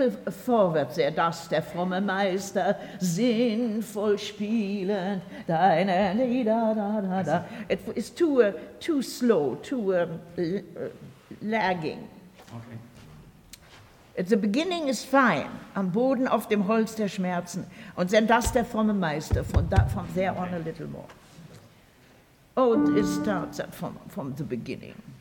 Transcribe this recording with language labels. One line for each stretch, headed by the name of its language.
English: Forward there,
German: dass der fromme Meister sinnvoll spielend deine Lieder, da.
English: It is too slow, too lagging. Okay. The beginning is fine,
German: am Boden auf dem Holz der Schmerzen, und dann das der fromme Meister,
English: from there on a little more. Oh, it starts from the beginning.